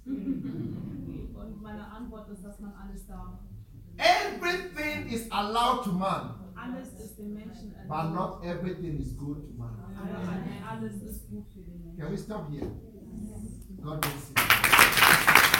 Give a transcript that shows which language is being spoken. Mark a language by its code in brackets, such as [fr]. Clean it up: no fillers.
[de] Und meine Antwort ist, dass man alles darf. [en] Everything is allowed to man. [de] Alles ist dem Menschen erlaubt. [en] But not everything is good to man. [de] Aber alles ist gut für den Menschen. [en] Can we stop here? God bless you.